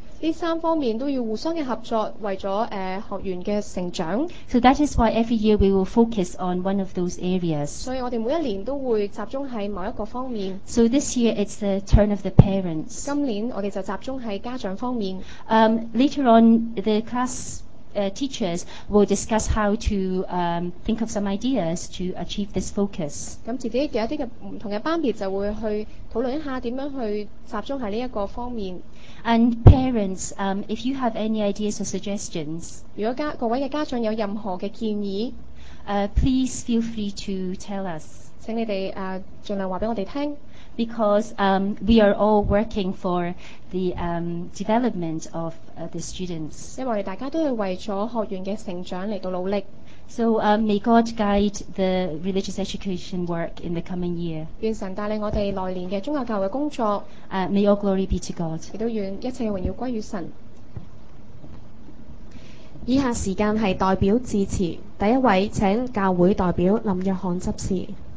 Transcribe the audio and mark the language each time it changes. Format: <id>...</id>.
<yue>呢三方面都要互相嘅合作，為咗學員嘅成長。</yue> <en>So that is why every year we will focus on one of those areas.</en> <yue>所以我哋每一年都會集中喺某一個方面。</yue> <en>So this year it's the turn of the parents.</en> <yue>今年我哋就集中喺家長方面。</yue> <en>Later on the class. Teachers will discuss how to think of some ideas to achieve this focus.</en> <yue>咁自己嘅一啲嘅唔同嘅班別就會去討論一下點樣去集中喺呢一個方面。</yue> <en>And parents, if you have any ideas or suggestions,</en> <yue>如果各位嘅家長有任何嘅建議</yue> <en>please feel free to tell us.</en> <yue>請你哋盡量話俾我哋聽。</yue> <en>Because we are all working for the development of the students.</en> <yue>因為我哋大家都係為咗學員嘅成長嚟到努力。</yue> <en>So may God guide the religious education work in the coming year.</en> <yue>願神帶領我哋來年嘅宗教教育工作。</yue> <en>May all glory be to God.</en> <yue>亦都願一切榮耀歸於神。以下時間係代表致辭，第一位請教會代表林約翰執事。</yue>